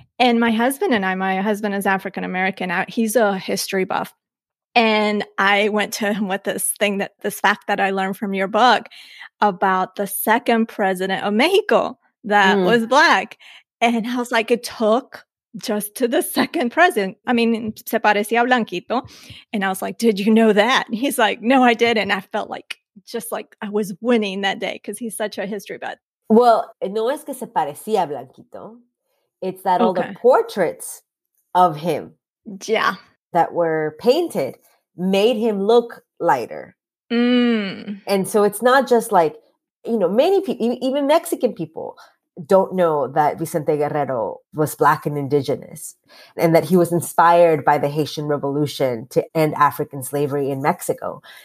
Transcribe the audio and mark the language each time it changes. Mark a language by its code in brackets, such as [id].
[en] And my husband and I, my husband is African-American. He's a history buff. And I went to him with this fact that I learned from your book about the second president of Mexico that was Black. And I was like, it took just to the second present. I mean, [es] se parecía blanquito. [en] And I was like, did you know that? And he's like, no, I didn't. And I felt like just like I was winning that day because he's such a history buff. [es] Well, no es que se parecía blanquito. [en] It's that all the portraits of him that were painted made him look lighter. Mm. And so it's not just like, you know, many people, even Mexican people, don't know that Vicente Guerrero was Black and Indigenous and that he was inspired by the Haitian Revolution to end African slavery in Mexico.